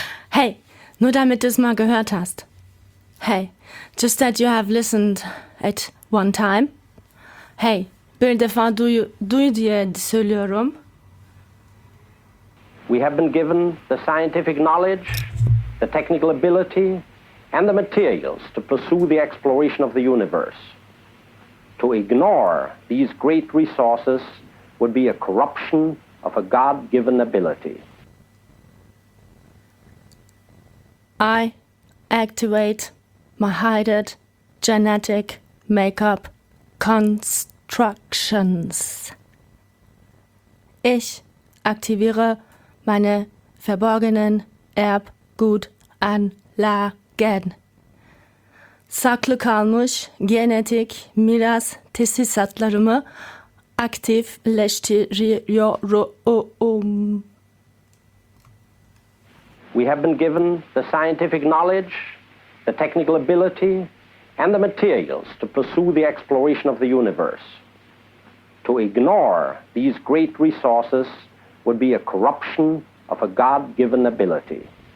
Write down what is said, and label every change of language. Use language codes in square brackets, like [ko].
[de] Hey, nur damit du es mal gehört hast. [en] Hey, just that you have listened at one time. [tr] Hey, bir defa duy diye söylüyorum. [en] We have been given the scientific knowledge, the technical ability, and the materials to pursue the exploration of the universe. To ignore these great resources would be a corruption of a God-given ability. I activate my hided genetic makeup constructions. [de] Ich aktiviere meine verborgenen Erbgutanlagen. [tr] Saklı kalmış genetik miras tesisatlarımı aktifleştiriyorum. [en] We have been given the scientific knowledge, the technical ability, and the materials to pursue the exploration of the universe. To ignore these great resources would be a corruption of a God-given ability.